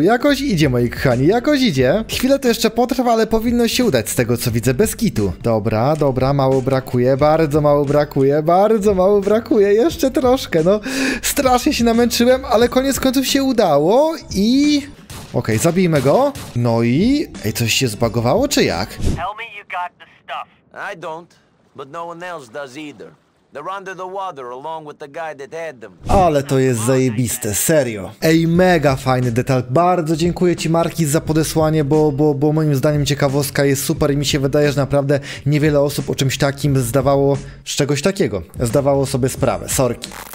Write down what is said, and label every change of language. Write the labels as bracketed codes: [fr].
[pl] Jakoś idzie, moi kochani, jakoś idzie. Chwilę to jeszcze potrwa, ale powinno się udać z tego, co widzę, bez kitu. Dobra, dobra, mało brakuje, bardzo mało brakuje, bardzo mało brakuje. Jeszcze troszkę, no. Strasznie się namęczyłem, ale koniec końców się udało i... Okej, zabijmy go. No i... Ej, coś się zbugowało, czy jak? [en] Tell me you got the stuff. I don't, but no one else does either. They're under the water along with the guy that had them. [pl] Ale to jest zajebiste, serio. Ej, mega fajny detal. Bardzo dziękuję ci, Markis, za podesłanie, bo moim zdaniem ciekawostka jest super i mi się wydaje, że naprawdę niewiele osób o czymś takim zdawało, z czegoś takiego, zdawało sobie sprawę. Sorki.